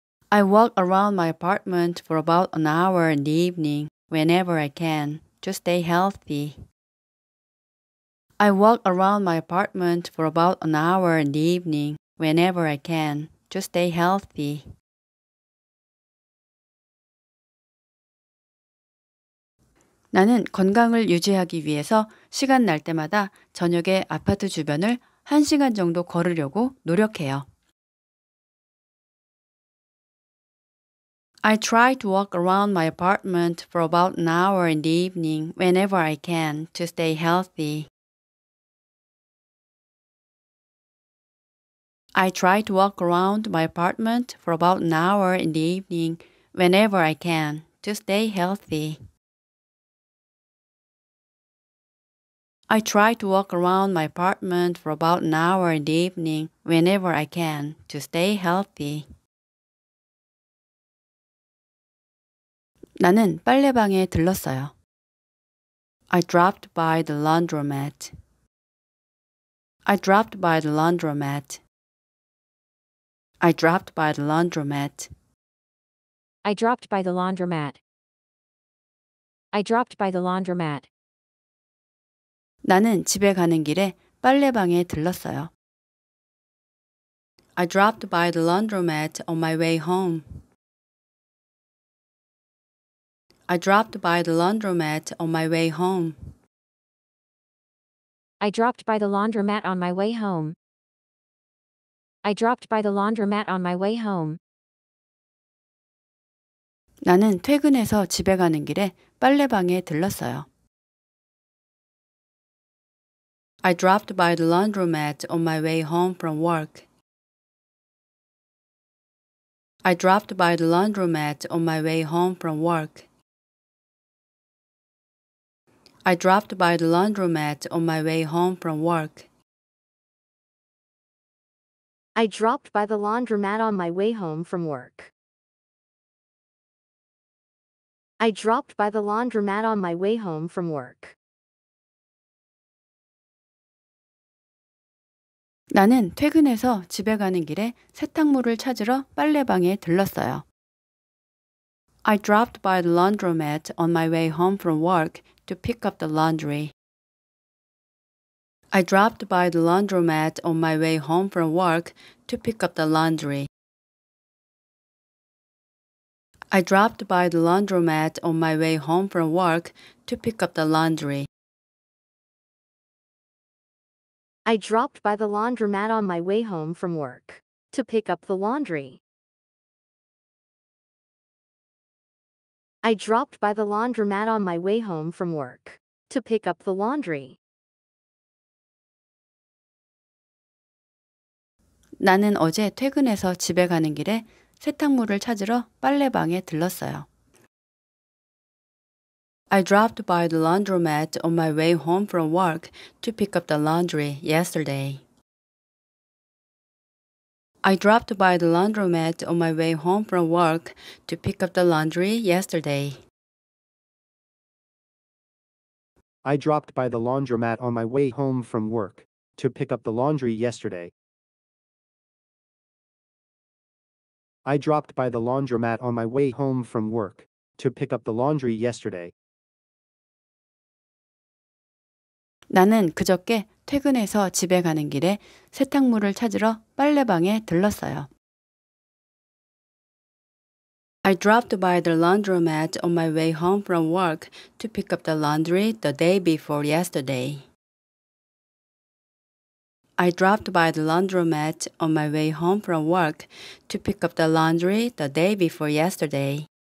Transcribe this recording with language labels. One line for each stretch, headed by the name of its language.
English: I walk around my apartment for about an hour in the evening whenever I can to stay healthy. I walk around my apartment for about an hour in the evening whenever I can to stay healthy.
Korean: 나는 건강을 유지하기 위해서 시간 날 때마다 저녁에 아파트 주변을 한 시간 정도 걸으려고 노력해요.
English: I try to walk around my apartment for about an hour in the evening whenever I can to stay healthy. I try to walk around my apartment for about an hour in the evening whenever I can to stay healthy. I try to walk around my apartment for about an hour in the evening whenever I can to stay healthy.
Korean: 나는 빨래방에 들렀어요.
English: I dropped by the laundromat. I dropped by the laundromat. I dropped by the laundromat. I dropped by the laundromat. I dropped by the laundromat.
Korean: 나는 집에 가는 길에 빨래방에 들렀어요.
English: I dropped by the laundromat on my way home. I dropped by the laundromat on my way home. I dropped by the laundromat on my way home. I dropped by the laundromat on my way home.
Korean: 나는 퇴근해서 집에 가는 길에 빨래방에 들렀어요.
English: I dropped by the laundromat on my way home from work. I dropped by the laundromat on my way home from work. I dropped by the laundromat on my way home from work. I dropped by the laundromat on my way home from work. I dropped by the laundromat on my way home from work.
Korean: 나는 퇴근해서 집에 가는 길에 세탁물을 찾으러 빨래방에 들렀어요.
English: I dropped by the laundromat on my way home from work to pick up the laundry. I dropped by the laundromat on my way home from work to pick up the laundry. I dropped by the laundromat on my way home from work to pick up the laundry. I dropped by the laundromat on my way home from work to pick up the laundry. I dropped by the laundromat on my way home from work to pick up the laundry.
Korean: 나는 어제 퇴근해서 집에 가는 길에 세탁물을 찾으러 빨래방에 들렀어요.
English: I dropped by the laundromat on my way home from work to pick up the laundry yesterday. I dropped by the laundromat on my way home from work to pick up the laundry yesterday. I dropped by the laundromat on my way home from work to pick up the laundry yesterday. I dropped by the laundromat on my way home from work to pick up the laundry yesterday.
Korean: 나는 그저께 퇴근해서 집에 가는 길에 세탁물을 찾으러 빨래방에 들렀어요.
English: I dropped by the laundromat on my way home from work to pick up the laundry the day before yesterday. I dropped by the laundromat on my way home from work to pick up the laundry the day before yesterday.